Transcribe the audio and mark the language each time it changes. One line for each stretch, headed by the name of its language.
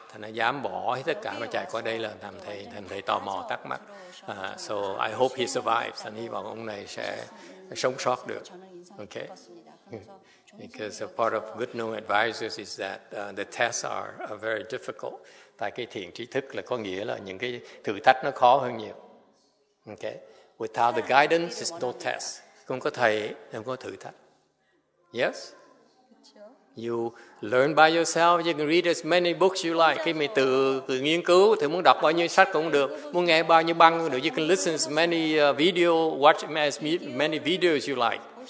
Vietnamese: Thành ra dám bỏ hết tất cả mà chạy qua đây là thầm thầy tò mò tắc mắc.
English: So I hope he survives.
Vietnamese: Thành hy vọng ông này sẽ sống sót được.
English: Okay. Because a part of good known advisors is that the tests are very difficult.
Vietnamese: Tại cái thiện trí thức là có nghĩa là những cái thử thách nó khó hơn nhiều. Okay.
English: Without the guidance, there's no test.
Vietnamese: Không có thầy, không có thử thách.
English: Yes? You learn by yourself. You can read as many books you like.
Vietnamese: Khi mình tự nghiên cứu, thì muốn đọc bao nhiêu sách cũng được. Muốn nghe bao nhiêu băng cũng được.
English: You can listen as many videos, watch as many videos you like.